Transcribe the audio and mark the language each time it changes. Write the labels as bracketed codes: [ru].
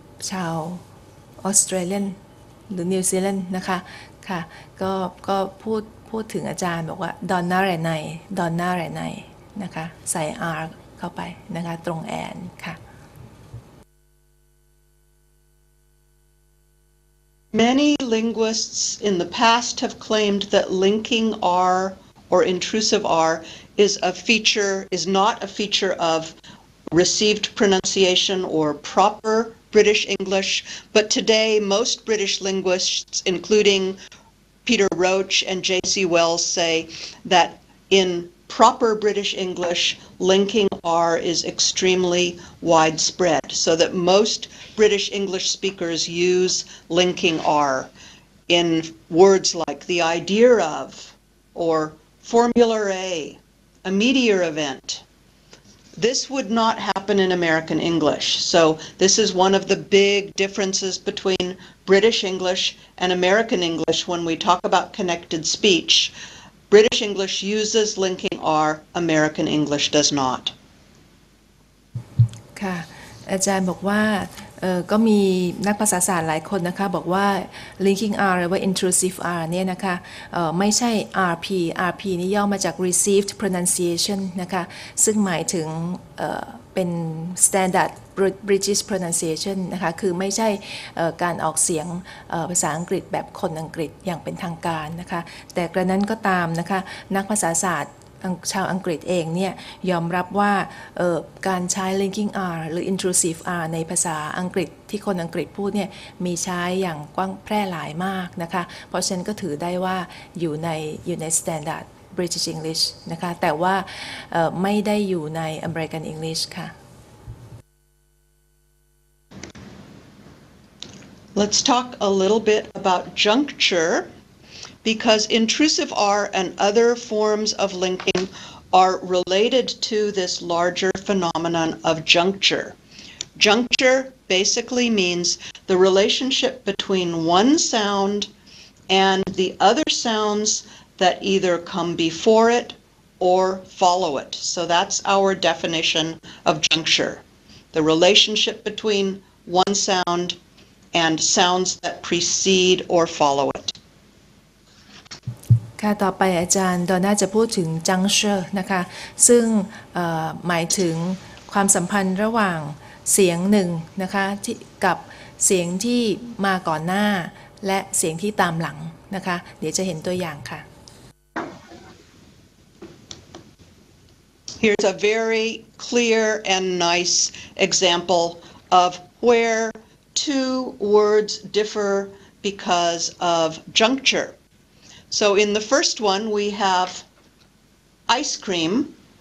[th] ชาวออสเตรเลียนหรือนิวซีแลนด์นะคะค่ะก็พูดถึงอาจารย์บอกว่าดอนน่าแรนไนดอนน่าแรนไนนะคะใส่ R เข้าไปนะคะตรงแอนค่ะ [en] Many linguists in the past have claimed that linking R or intrusive R is not a feature of received pronunciation or proper British English, but today most British linguists, including Peter Roach and J.C. Wells, say that in proper British English, linking R is extremely widespread, so that most British English speakers use linking R in words like the idea of, or formula A, a meteor event. This would not happen in American English, so this is one of the big differences between British English and American English when we talk about connected speech. British English uses linking R, American English does not. [th] ค่ะอาจารย์บอกว่าก็มีนักภาษาศาสตร์หลายคนนะคะบอกว่า linking R หรือว่า intrusive R เนี่ยนะคะไม่ใช่ RP RP นี่ย่อมาจาก received pronunciation นะคะซึ่งหมายถึง เป็น standard British pronunciation นะคะคือไม่ใช่การออกเสียงภาษาอังกฤษแบบคนอังกฤษอย่างเป็นทางการนะคะแต่กระนั้นก็ตามนะคะนักภาษาศาสตร์ชาวอังกฤษเองเนี่ยยอมรับว่า การใช้ linking R หรือ intrusive R ในภาษาอังกฤษที่คนอังกฤษพูดเนี่ยมีใช้อย่างกว้างแพร่หลายมากนะคะเพราะฉะนั้นก็ถือได้ว่าอยู่ใน standard British English นะคะแต่ว่าไม่ได้อยู่ใน American English ค่ะ [en] Let's talk a little bit about juncture. Because intrusive R and other forms of linking are related to this larger phenomenon of juncture. Juncture basically means the relationship between one sound and the other sounds that either come before it or follow it. So that's our definition of juncture. The relationship between one sound and sounds that precede or follow it. [th] ค่ะต่อไปอาจารย์ดอนน่าจะพูดถึงจังเชอร์นะคะซึ่งหมายถึงความสัมพันธ์ระหว่างเสียงหนึ่งนะคะที่กับเสียงที่มาก่อนหน้าและเสียงที่ตามหลังนะคะเดี๋ยวจะเห็นตัวอย่างค่ะ [en] Here's a very clear and nice example of where two words differ because of juncture. So in the first one, we have ice cream.